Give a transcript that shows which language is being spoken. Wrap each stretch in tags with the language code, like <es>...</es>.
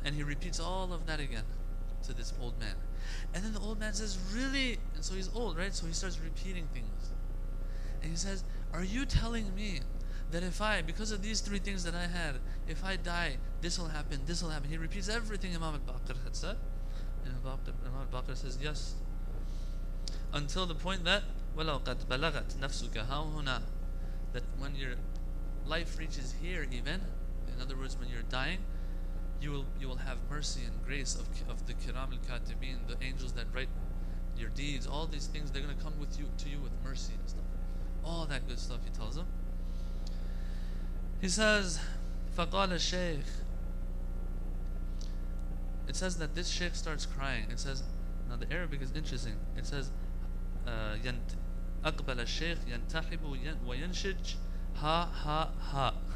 <en>And he repeats all of that again to this old man. And then the old man says, really? And so he's old, right? So he starts repeating things. And he says, are you telling me that if I, because of these three things that I had, if I die, this will happen, this will happen. He repeats everything Imam al-Baqir had said. And Imam al-Baqir says, yes. Until the point that,</en> <ar>وَلَوْ قَدْ بَلَغَتْ نَفْسُكَ هَوْهُنَا.</ar> <en>That when your life reaches here even, in other words, when you're dying, You will have mercy and grace of the Kiram al-Katibin, the angels that write your deeds, all these things, they're going to come with you to you with mercy and stuff. All that good stuff, he tells them. He says,</en> <ar>فَقَالَ الشَّيْخ.</ar> <en>It says that this sheikh starts crying. It says, now the Arabic is interesting. It says,</en> <ar>أَقْبَلَ الشَّيْخ يَنْتَحِبُ وَيَنْشِجْ هَا هَا هَا.</ar>